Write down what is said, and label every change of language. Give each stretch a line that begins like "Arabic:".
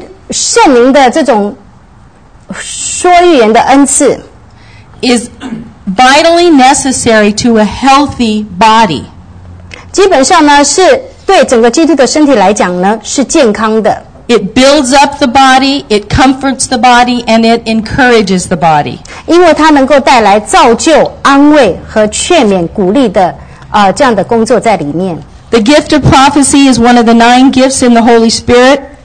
Chinese: 圣灵的这种说预言的恩赐
English: is vitally necessary to a healthy body
Chinese: 基本上呢是对整个基督的身体来讲呢是健康的
English: It builds up the body, it comforts the body, and it encourages the body.
Chinese: 因为它能够带来造就、安慰和劝勉、鼓励的这样的工作在里面。
English: The gift of prophecy is one of the 9 gifts in the Holy Spirit.